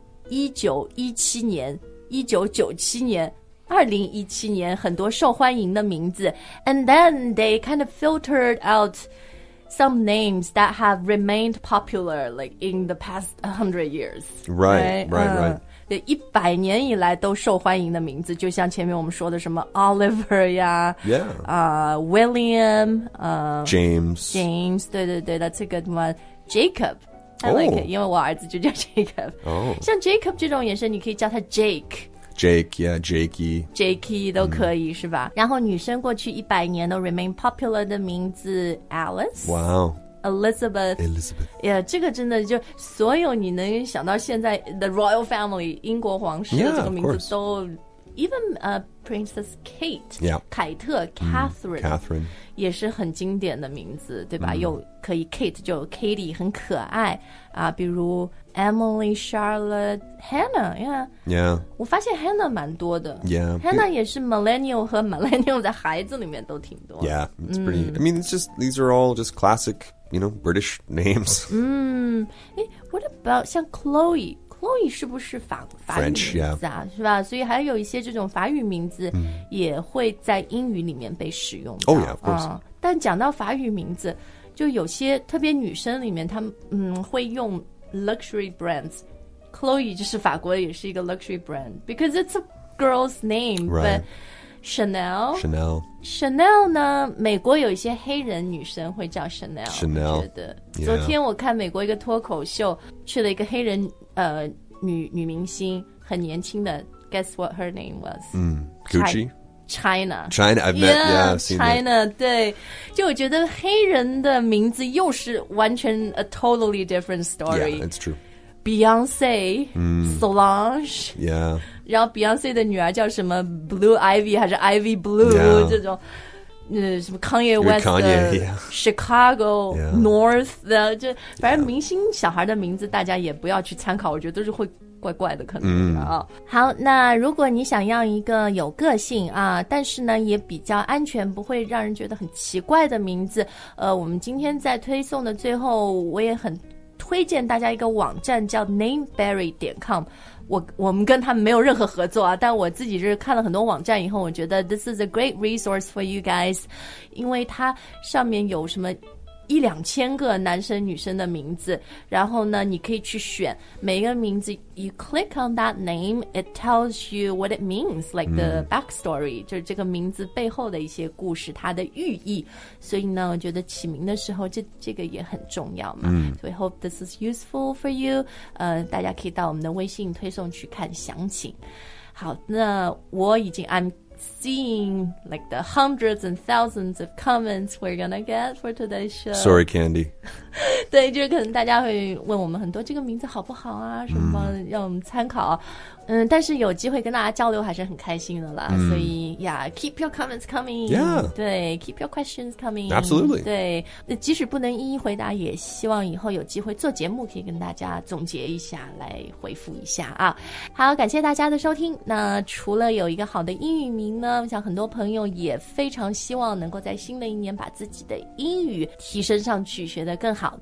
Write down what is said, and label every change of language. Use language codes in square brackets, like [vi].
[zh] 1917年1997年2017年很多受欢迎的名字 [en] And then they kind of filtered outsome names that have remained popular like in the past 100 years. Right. [zh] 一百年以来都受欢迎的名字就像前面我们说的什么 Oliver 呀 William, [en] James, [zh] 对对对 [en] that's a good one. Jacob, I like it, [zh] 因为我儿子就叫 [en] Jacob. [zh] 像 Jacob 这种也是你可以叫他 Jake. [en] Jake, yeah, Jakey. [zh] Jakey 都可以、是吧然后女生过去一百年都 [en] remain popular [zh] 的名字 Alice. [en] Wow. Elizabeth. [zh] Yeah, 这个真的就所有你能想到现在 [en] the royal family, [zh] 英国皇室的这个名字都 [en] yeah, of course. Even、Princess Kate. Yeah. [zh] 凯特 Catherine.、 [en] Catherine. [zh] 也是很经典的名字对吧、又可以 Kate 就 Katie 很可爱、比如Emily, Charlotte, Hannah, yeah. [en] Yeah. [zh] 我发现 Hannah 蛮多的。 [en] Yeah. [zh] Hannah 也是 millennial 和 millennial 的孩子里面都挺多。 [en] Yeah, it's pretty, I mean, it's just, these are all just classic, you know, British names. What about, [zh] 像 Chloe, Chloe 是不是法语名字啊 [en] French, yeah. [zh] 是吧所以还有一些这种法语名字也会在英语里面被使用 [en] 到。Oh yeah, of course.、 [zh] 但讲到法语名字就有些特别女生里面她们、会用 [en] Luxury brands [zh] Chloe 就是法国也是一个 [en] luxury brand Because it's a girl's name、 right. But Chanel Chanel [zh] Chanel 呢美国有一些黑人女生会叫 Chanel [en] Chanel [zh] 觉得、 [en] yeah. [zh] 昨天我看美国一个脱口秀去了一个黑人、女明星很年轻的 [en] Guess what her name was、 Gucci China I've met yeah, yeah I've seen China、 that. [zh] 对就我觉得黑人的名字又是完全 [en] a totally different story yeah that's true Beyonce、Solange yeah [zh] 然后 Beyonce 的女儿叫什么 Blue Ivy 还是 Ivy Blue、 [en] yeah. [zh] 这种什么 Kanye West [en] Kanye,、yeah. Chicago、yeah. [zh] North 的就反正明星小孩的名字大家也不要去参考我觉得都是会怪怪的可能、好那如果你想要一个有个性啊但是呢也比较安全不会让人觉得很奇怪的名字我们今天在推送的最后我也很推荐大家一个网站叫 nameberry.com 我们跟他们没有任何合作啊但我自己就是看了很多网站以后我觉得 [en] this is a great resource for you guys [zh] 因为它上面有什么一两千个男生女生的名字然后呢你可以去选每一个名字 [en] you click on that name it tells you what it means like the backstory [zh] 就是这个名字背后的一些故事它的寓意所以呢我觉得起名的时候这个也很重要嘛、 [en] so we hope this is useful for you [zh] 大家可以到我们的微信推送去看详情好，那我已经 [en] I'm seeing like the hundreds and thousands of comments we're gonna get for today's show. Sorry, Candy. [zh] 对，就是可能大家会问我们很多这个名字好不好啊，什么让我们参考。但是有机会跟大家交流还是很开心的啦。所以 [en] ，Yeah, keep your comments coming. Yeah. 对 ，keep your questions coming. Absolutely. [zh] 对，即使不能一一回答，也希望以后有机会做节目可以跟大家总结一下，来回复一下啊。好，感谢大家的收听。那除了有一个好的英语名呢，我想很多朋友也非常希望能够在新的一年把自己的英语提升上去，学得更好。